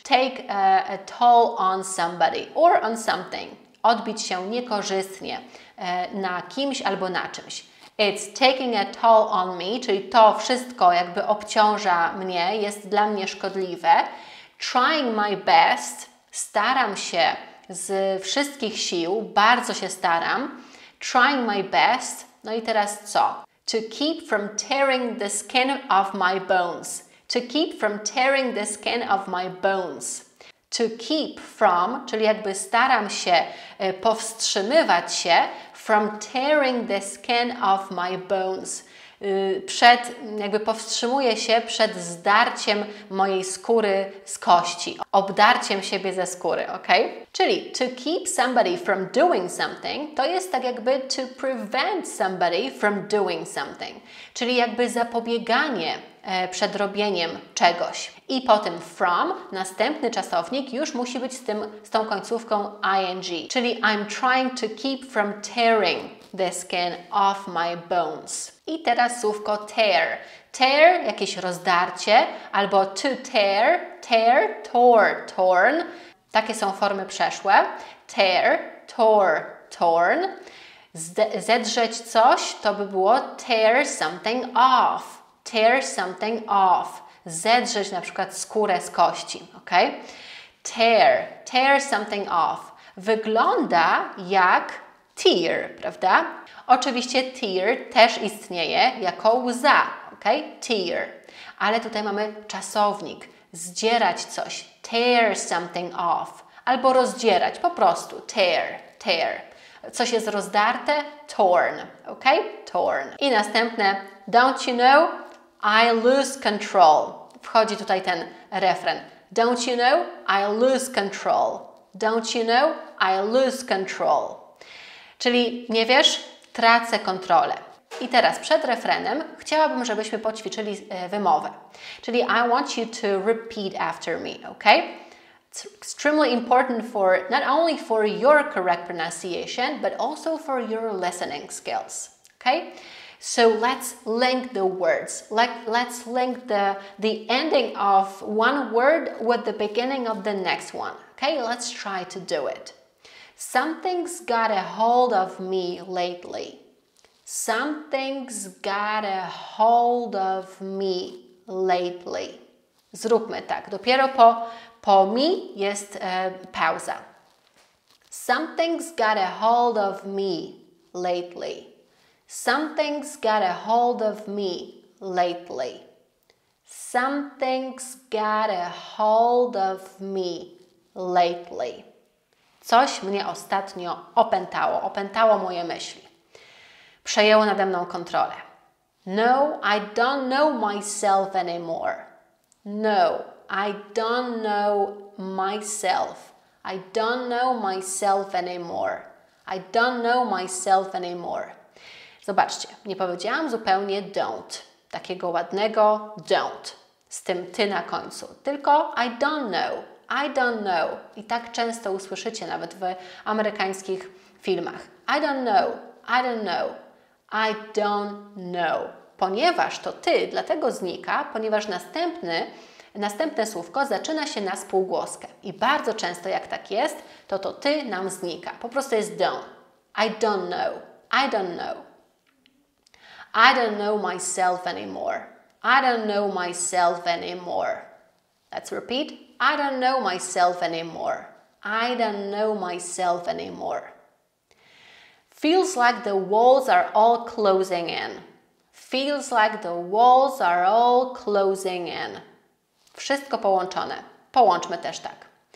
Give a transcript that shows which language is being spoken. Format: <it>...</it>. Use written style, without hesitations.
<en>Take a toll on somebody or on something.</en> <pl>Odbić się niekorzystnie na kimś albo na czymś.</pl> <en>It's taking a toll on me,</en> <pl>czyli to wszystko jakby obciąża mnie, jest dla mnie szkodliwe.</pl> <en>Trying my best,</en> <pl>staram się z wszystkich sił, bardzo się staram.</pl> <en>Trying my best,</en> <pl>no i teraz co? To keep from tearing the skin off my bones. To keep from tearing the skin off my bones.</pl> <en>To keep from,</en> <pl>czyli jakby staram się powstrzymywać się,</pl> <en>from tearing the skin off my bones.</en> <pl>Przed, jakby powstrzymuję się przed zdarciem mojej skóry z kości. Obdarciem siebie ze skóry, ok?</pl> <en>Czyli to keep somebody from doing something,</en> <pl>to jest tak jakby</pl> <en>to prevent somebody from doing something.</en> <pl>Czyli jakby zapobieganie przed robieniem czegoś. I potem from, następny czasownik, już musi być z tą końcówką ing.</pl> <en>Czyli I'm trying to keep from tearing the skin off my bones.</en> <pl>I teraz słówko tear. Tear, jakieś rozdarcie, albo</pl> <en>to tear, tear, tore, torn.</en> <pl>Takie są formy przeszłe.</pl> <en>Tear, tore, torn.</en> <pl>Zedrzeć coś, to by było</pl> <en>tear something off. Tear something off.</en> <pl>Zedrzeć na przykład skórę z kości, ok?</pl> <en>Tear, tear something off.</en> <pl>Wygląda jak tear, prawda? Oczywiście tear też istnieje jako łza, ok? Tear. Ale tutaj mamy czasownik. Zdzierać coś.</pl> <en>Tear something off.</en> <pl>Albo rozdzierać, po prostu.</pl> <en>Tear, tear.</en> <pl>Coś jest rozdarte?</pl> <en>Torn, ok? Torn.</en> <pl>I następne.</pl> <en>Don't you know? I lose control.</en> <pl>Wchodzi tutaj ten refren.</pl> <en>Don't you know? I lose control. Don't you know? I lose control.</en> <pl>Czyli nie wiesz? Tracę kontrolę. I teraz przed refrenem chciałabym, żebyśmy poćwiczyli wymowę.</pl> <en>Czyli I want you to repeat after me, ok? It's extremely important for not only for your correct pronunciation, but also for your listening skills, ok? So let's link the words. Like let's link the ending of one word with the beginning of the next one. Okay, let's try to do it. Something's got a hold of me lately. Something's got a hold of me lately.</en> <pl>Zróbmy tak. Dopiero po mi jest pauza.</pl> <en>Something's got a hold of me lately. Something's got a hold of me lately. Something's got a hold of me lately.</en> <pl>Coś mnie ostatnio opętało, opętało moje myśli. Przejęło nade mną kontrolę.</pl> <en>No, I don't know myself anymore. No, I don't know myself. I don't know myself anymore. I don't know myself anymore.</en> <pl>Zobaczcie, nie powiedziałam zupełnie don't. Takiego ładnego don't. Z tym ty na końcu.</pl> <en>Tylko I don't know. I don't know.</en> <pl>I tak często usłyszycie nawet w amerykańskich filmach.</pl> <en>I don't know. I don't know. I don't know.</en> <pl>Ponieważ to ty, dlatego znika, ponieważ następne słówko zaczyna się na spółgłoskę. I bardzo często jak tak jest, to ty nam znika. Po prostu jest</pl> <en>don't. I don't know. I don't know. I don't know myself anymore. I don't know myself anymore. Let's repeat. I don't know myself anymore. I don't know myself anymore. Feels like the walls are all closing in. Feels like the walls are all closing in.</en> <pl>Wszystko połączone. Połączmy też tak.</pl>